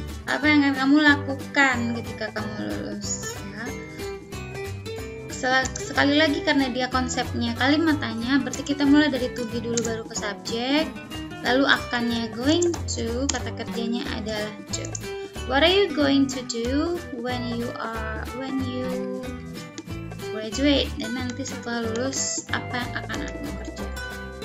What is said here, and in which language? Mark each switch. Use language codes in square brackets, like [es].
[id] Apa yang akan kamu lakukan ketika kamu lulus? Ya. Sekali lagi, karena dia konsepnya kalimatnya, berarti kita mulai dari to be dulu baru ke subjek. Lalu akannya going to, kata kerjanya adalah to. [en] What are you going to do when you graduate? [id] Dan nanti setelah lulus, apa yang akan aku kerjakan?